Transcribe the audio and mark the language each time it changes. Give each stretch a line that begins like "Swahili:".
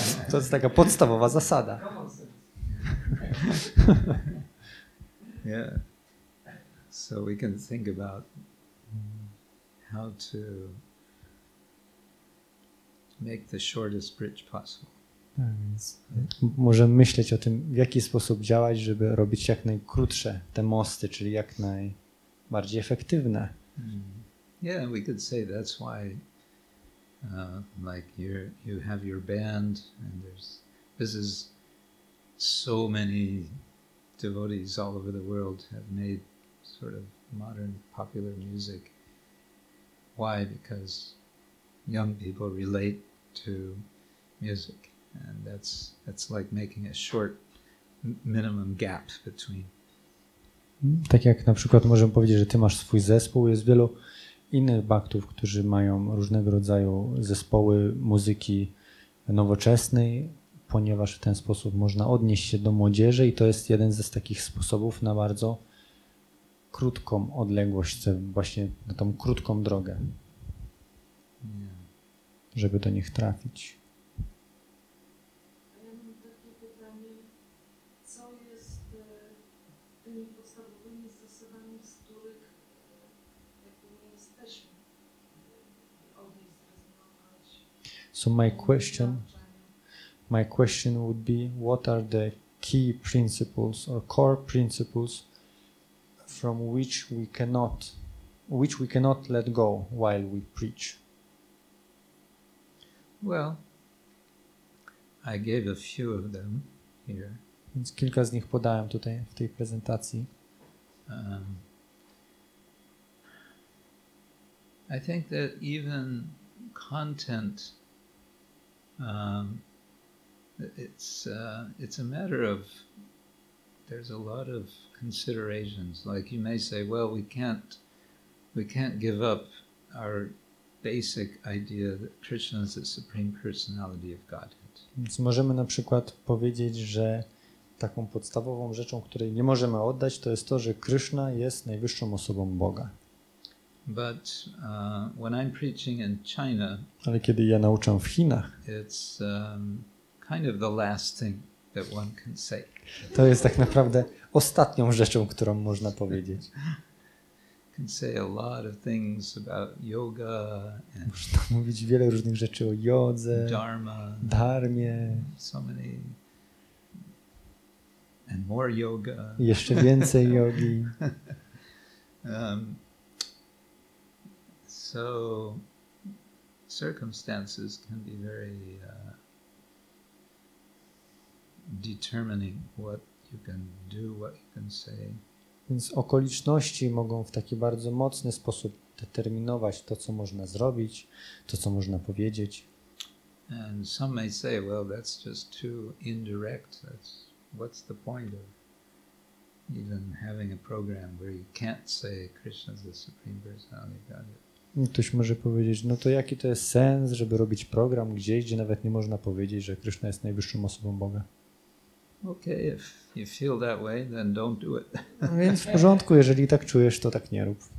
Polish: To jest taka podstawowa zasada.
English: Yeah. So we can think about how to make the shortest bridge possible.
Polish: Możemy myśleć o tym, w jaki sposób działać, żeby robić jak najkrótsze te mosty, czyli jak najbardziej efektywne.
English: Yeah, we could say that's why like you have your band and this is so many devotees all over the world have made sort of modern popular music. Why? Because young people relate to music, and that's like making a short minimum gap between.
Polish: Tak jak na przykład możemy powiedzieć, że ty masz swój zespół, jest wielu innych baktów, którzy mają różnego rodzaju zespoły muzyki nowoczesnej, ponieważ w ten sposób można odnieść się do młodzieży i to jest jeden z takich sposobów na bardzo krótką odległość, właśnie na tą krótką drogę. Yeah. Żeby do nich trafić. A ja mam takie pytanie, co jest tymi podstawowymi zasadami, z których jakby nie jesteśmy od nich zrezygnować?
English: So my question would be, what are the key principles or core principles from which we cannot let go while we preach? Well, I gave a few of them here.
Polish: Więc kilka z nich podałem tutaj w tej prezentacji.
English: I think that even content, it's a matter of, there's a lot of considerations. Like you may say, well, we can't give up our basic idea that Krishna is the supreme personality of Godhead.
Polish: Więc możemy na przykład powiedzieć, że taką podstawową rzeczą, której nie możemy oddać, to jest to, że Krishna jest najwyższą osobą Boga.
English: But when I'm preaching in China,
Polish: ale kiedy ja nauczam w Chinach,
English: it's kind of the last thing that one can say.
Polish: To jest tak naprawdę ostatnią rzeczą, którą można powiedzieć.
English: Can say a lot of things about yoga.
Polish: Można mówić wiele różnych rzeczy o jodze, dharmie,
English: so many and more yoga.
Polish: Jeszcze więcej jogi.
English: So circumstances can be very determining what you can do, what you can say.
Polish: Więc okoliczności mogą w taki bardzo mocny sposób determinować to, co można zrobić, to, co można powiedzieć.
English: And some may say, well, that's just too indirect. That's, what's the point of even having a program where you can't say Krishna is the supreme personality of Godhead?
Polish: Ktoś może powiedzieć, no to jaki to jest sens, żeby robić program gdzieś, gdzie nawet nie można powiedzieć, że Krishna jest najwyższą osobą Boga?
English: Okay, if you feel that way, then don't do it.
Polish: Więc w porządku, jeżeli tak czujesz, to tak nie rób.